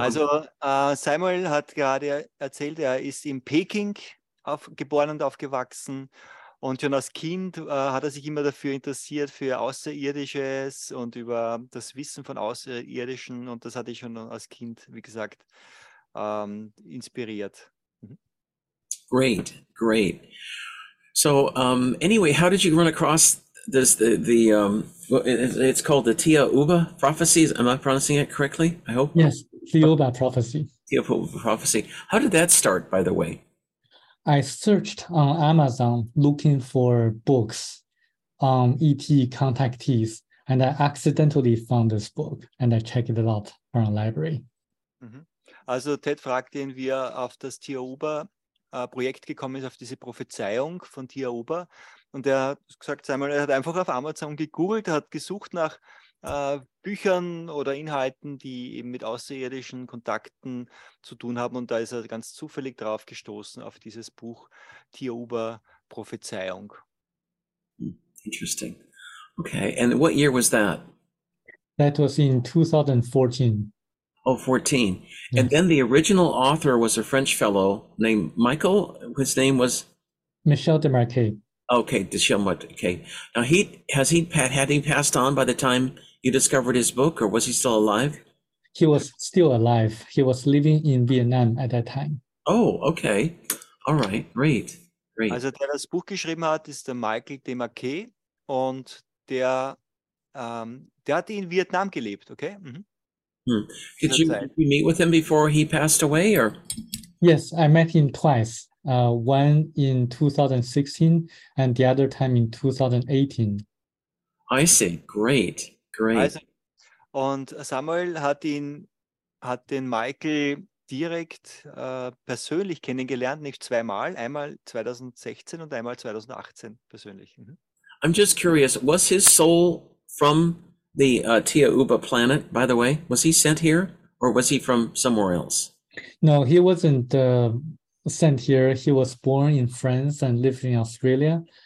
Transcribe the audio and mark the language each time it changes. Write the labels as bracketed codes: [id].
[de] Also Samuel hat gerade erzählt, er ist in Peking geboren und aufgewachsen. Und schon als Kind hat er sich immer dafür interessiert, für Außerirdisches und über das Wissen von Außerirdischen. Und das hatte ich schon als Kind, wie gesagt, inspiriert. [en] Great, great. So anyway, how did you run across this, it's called the Tia Uba prophecies. Am I pronouncing it correctly? I hope. Yes, Tia Uba prophecy. Tia Uba prophecy. How did that start, by the way? I searched on Amazon looking for books on ET contactees, and I accidentally found this book, and I checked it out from a library. Mm-hmm. [de] Also Ted fragt ihn, wie er auf das Tia Uba Projekt gekommen ist, auf diese Prophezeiung von Tia Uba. Und er hat gesagt, Samuel, er hat einfach auf Amazon gegoogelt, hat gesucht nach Büchern oder Inhalten, die eben mit außerirdischen Kontakten zu tun haben. Und da ist er ganz zufällig drauf gestoßen, auf dieses Buch Tia Uba Prophezeiung. [en] Interesting. Okay, and what year was that? That was in 2014. Oh, 14. Yes. And then the original author was a French fellow named Michael, whose name was? Michel Demarque. Okay, Michel Demarque. Okay. Now, had he passed on by the time you discovered his book, or was he still alive? He was still alive. He was living in Vietnam at that time. Oh, okay. All right. Great. Great. [de] Also, der das Buch geschrieben hat, ist der Michael Demarque, und der hatte in Vietnam gelebt, okay? Mhm. [en] Did you meet with him before he passed away, or? Yes, I met him twice. One in 2016, and the other time in 2018. I see. Great, great. Also, [de] und Samuel hat den Michael direkt persönlich kennengelernt, nicht zweimal, einmal 2016 und einmal 2018 persönlich. [en] Mhm. I'm just curious. Was his soul from? The Tia Uba planet, by the way, was he sent here or was he from somewhere else? No, he wasn't sent here. He was born in France and lived in Australia.